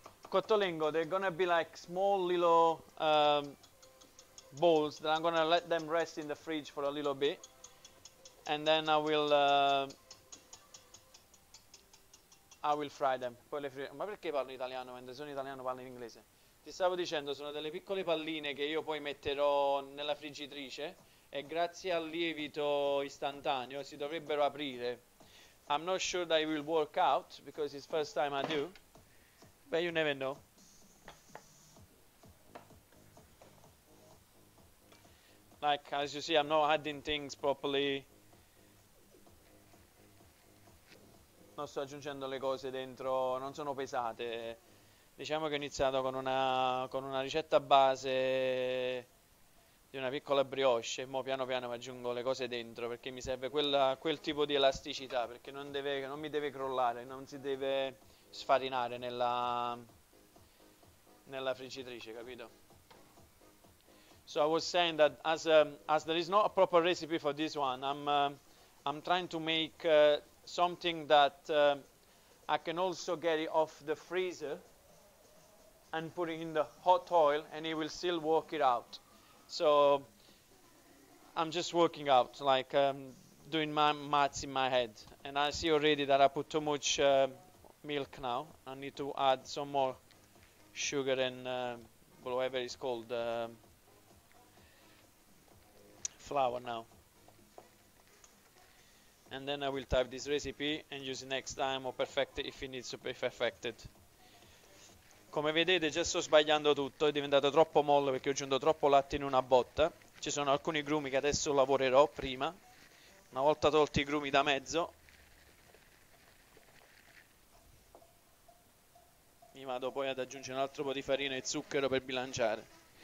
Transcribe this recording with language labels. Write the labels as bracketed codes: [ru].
[en] Cotolingo, they're gonna be like small little balls that I'm gonna let them rest in the fridge for a little bit, and then I will fry them. [it] Poi le ma perché parlo in italiano quando sono italiano parlo in inglese? Ti stavo dicendo, sono delle piccole palline che io poi metterò nella friggitrice e grazie al lievito istantaneo si dovrebbero aprire. [en] I'm not sure that it will work out because it's first time I do, but you never know. Like, as you see, I'm not adding things properly. [it] Non sto aggiungendo le cose dentro, non sono pesate. Diciamo che ho iniziato con una ricetta base di una piccola brioche e mo piano piano aggiungo le cose dentro perché mi serve quel tipo di elasticità, perché non mi deve crollare, non si deve sfarinare nella friggitrice, capito? [en] So I was saying that as there is not a proper recipe for this one, I'm trying to make something that I can also get it off the freezer and put it in the hot oil and it will still work it out. So I'm just working out, like doing my maths in my head. And I see already that I put too much milk now. I need to add some more sugar and whatever it's called, flour now. And then I will type this recipe and use it next time or perfect it if it needs to be perfected. [it] Come vedete già sto sbagliando tutto, è diventato troppo mollo perché ho aggiunto troppo latte in una botta. Ci sono alcuni grumi che adesso lavorerò prima, una volta tolti i grumi da mezzo. Mi vado poi ad aggiungere un altro po' di farina e zucchero per bilanciare.